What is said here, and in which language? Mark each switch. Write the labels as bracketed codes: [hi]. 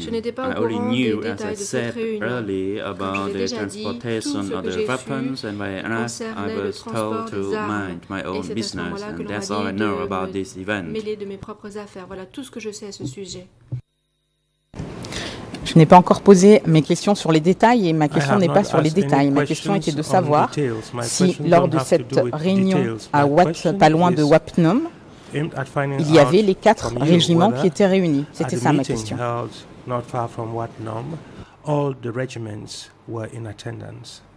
[fr] Je n'étais pas au courant des détails de cette réunion. [en] About the transportation of the weapons, and when I asked, I was told to mind my own business, and that's all I know about this event. [fr] Mêlé de mes propres affaires. Voilà tout ce que je sais à ce sujet. Je n'ai pas encore posé mes questions sur les détails et ma question n'est pas sur les détails. Ma question était de savoir si, lors de cette réunion à pas loin de Wat Phnom, il y avait les quatre régiments qui étaient réunis. C'était ça ma question. [en] Not far from Wat Phnom, all the regiments were in attendance.